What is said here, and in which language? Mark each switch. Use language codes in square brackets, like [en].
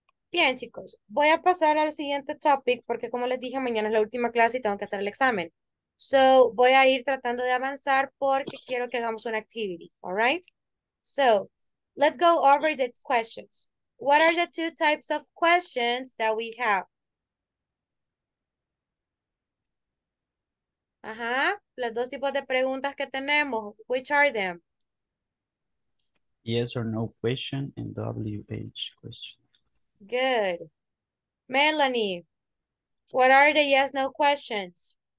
[es] Bien, chicos, voy a pasar al siguiente topic porque, como les dije, mañana es la última clase y tengo que hacer el examen. So, voy a ir tratando de avanzar porque quiero que hagamos una activity, [en] all right? So, let's go over the questions. What are the two types of questions that we have? [es] Ajá, los dos tipos de preguntas que tenemos. [en] Which are them? Yes or no question and WH question. Good. Melanie, what are the yes, no questions?